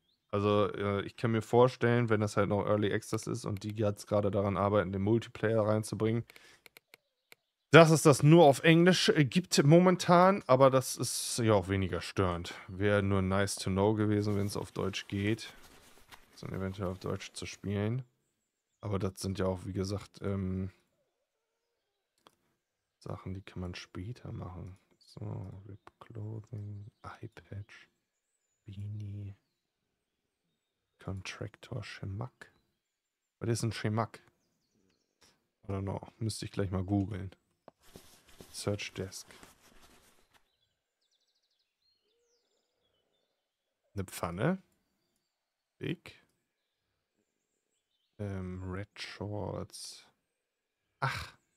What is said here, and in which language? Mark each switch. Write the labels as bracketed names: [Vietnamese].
[German] Also, ich kann mir vorstellen, wenn das halt noch Early Access ist und die jetzt gerade daran arbeiten, den Multiplayer reinzubringen, dass es das nur auf Englisch gibt momentan, aber das ist ja auch weniger störend. Wäre nur nice to know gewesen, wenn es auf Deutsch geht. So eventuell auf Deutsch zu spielen. Aber das sind ja auch, wie gesagt, Sachen, die kann man später machen. So, Rip Clothing, Eyepatch, Beanie, Contractor, Schemack. Was ist ein Schemack? [English] I don't know. [German] Müsste ich gleich mal googeln. [English] Search Desk. [German] Eine Pfanne. Big. Red Shorts. Ach.